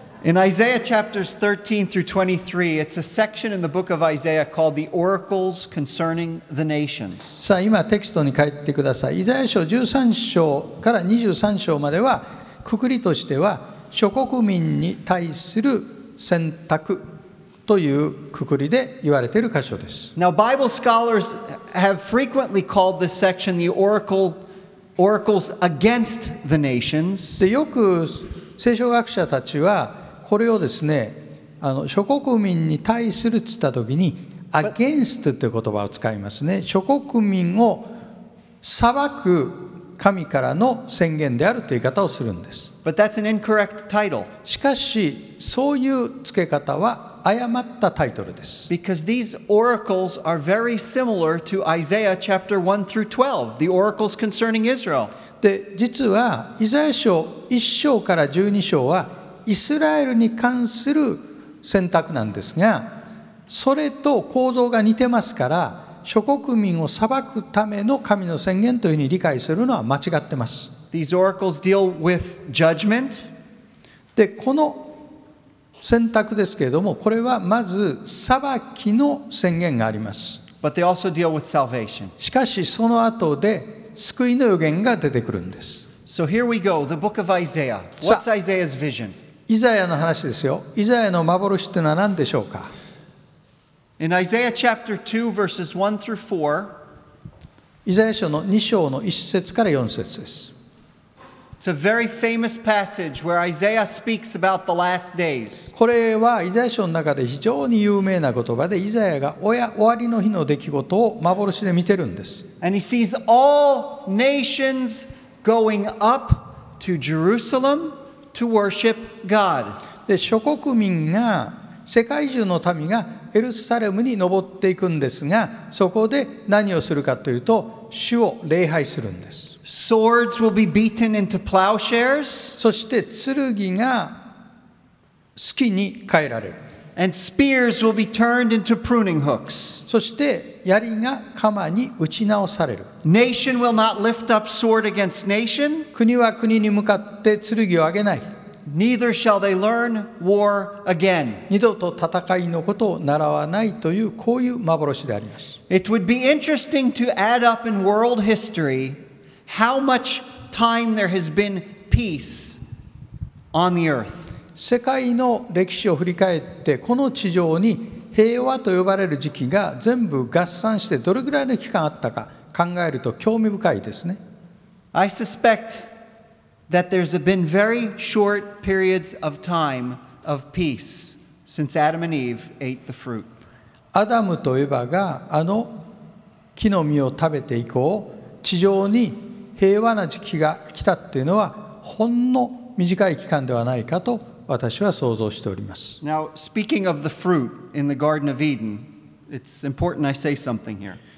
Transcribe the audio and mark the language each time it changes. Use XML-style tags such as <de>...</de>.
<en>In Isaiah chapters 13 through 23 it's a section in the book of Isaiah called the oracles concerning the nations.</en> <ja>さあ今テキストに書いてください。イザヤ書13章から23章まではくくりとしては諸国民に対する選択という括りで言われている箇所です。</ja> <en>Now, Bible scholars have frequently called this section the oracles against the nations.</en> <ja>で、よく聖書学者たちはこれをですね、諸国民に対するつったときに against という言葉を使いますね。諸国民を裁く神からの宣言であるという言い方をするんです。</ja> <en>But that's an incorrect title.</en> <ja>しかしそういう付け方は誤ったタイトルです。</ja> <en>Because these oracles are very similar to Isaiah chapter 1 through 12, the oracles concerning Israel.</en> <ja>で、実はイザヤ書1章から12章はイスラエルに関する選択なんですが、それと構造が似てますから、諸国民を裁くための神の宣言というふうに理解するのは間違ってます。</ja> <en>These oracles deal with judgment.</en> <ja>で、この選択ですけれども、これはまず裁きの宣言があります。</ja> <en>But they also deal with salvation.</en> <ja>しかしその後で救いの予言が出てくるんです。</ja> <en>So here we go, the book of Isaiah. What's Isaiah's vision?</en> <ja>イザヤの話ですよ。イザヤの幻というのは何でしょうか?</ja> <en>In Isaiah chapter 2, verses 1 through 4,</en> <ja>イザヤ書の2章の1節から4節です。</ja> <en>It's a very famous passage where Isaiah speaks about the last days.</en> <ja>これはイザヤ書の中で非常に有名な言葉で、イザヤが終わりの日の出来事を幻で見てるんです。</ja> <en>And he sees all nations going up to Jerusalem to worship God.</en> <ja>で、諸国民が、世界中の民がエルサレムに登っていくんですが、そこで何をするかというと、主を礼拝するんです。</ja> <en>Swords will be beaten into plowshares.</en> <ja>そして剣が鋤に変えられる。</ja> <en>And spears will be turned into pruning hooks.</en> <ja>そして槍が鎌に打ち直される。</ja> <en>Nation will not lift up sword against nation.</en> <ja>国は国に向かって剣を上げない。</ja> <en>Neither shall they learn war again.</en> <ja>二度と戦いのことを習わないというこういう幻であります。</ja> <en>It would be interesting to add up in world history. How much time there has been peace on the earth?</en> <ja>世界の歴史を振り返って、この地上に平和と呼ばれる時期が全部合算してどれぐらいの期間あったか考えると興味深いですね。</ja> <en>I suspect that there's been very short periods of time of peace since Adam and Eve ate the fruit.</en> <ja>アダムとエヴァがあの木の実を食べて以降、地上に平和な時期が来たっていうのはほんの短い期間ではないかと私は想像しております。</ja> <en>Now, speaking of the fruit in the Garden of Eden, it's important I say something here.</en>